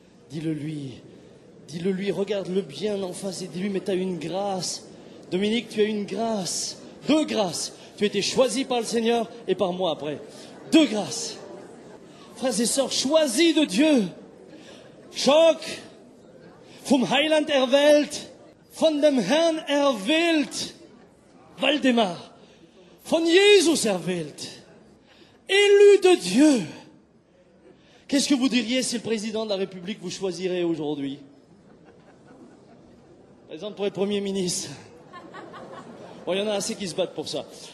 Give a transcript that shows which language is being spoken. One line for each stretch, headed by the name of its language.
French: Dis-le-lui, regarde-le bien en face et dis-lui, mais t'as une grâce. Dominique, tu as une grâce, deux grâces. Tu as été choisi par le Seigneur et par moi après. Deux grâces. Frères et sœurs, choisis de Dieu.
German: Choc, vom Heiland erwählt, von dem Herrn erwählt, Waldemar, von Jesus erwählt,
French: élu de Dieu. Qu'est-ce que vous diriez si le président de la République vous choisirait aujourd'hui? Par exemple, pour être premier ministre. Bon, il y en a assez qui se battent pour ça.